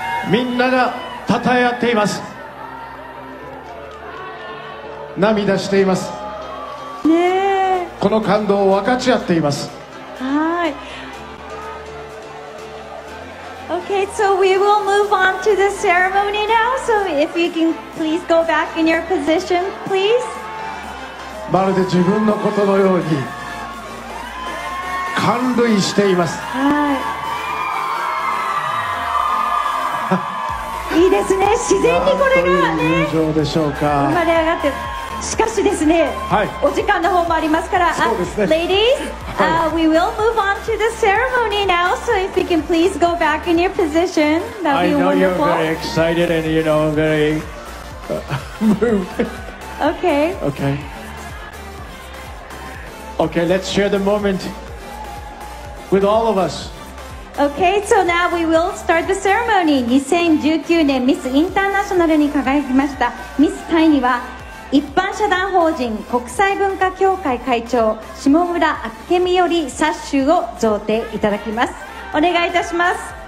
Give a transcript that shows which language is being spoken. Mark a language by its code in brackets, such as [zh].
[ja] みんながたたえ合っています。涙しています。ね、この感動を分かち合っています。はい。 [en] Okay, so we will move on to the ceremony now. So if you can please go back in your position, please. [ja] まるで自分のことのように感涙しています。はい。いいですね。自然にこれがね、どういう友情でしょうか。生まれ上がって、しかしですね、はい、お時間の方もありますから、そうですね、 [en] Ladies, we will move on to the ceremony now. So if you can please go back in your position, that'd be wonderful. I know you're very excited and you know I'm very moved. Okay. Okay. Okay. Let's share the moment with all of us. Okay. So now we will start the ceremony. [ja] 2019年ミスインターナショナルに輝きましたミスタイには、一般社団法人国際文化協会会長下村明美より冊子を贈呈いただきます。お願いいたします。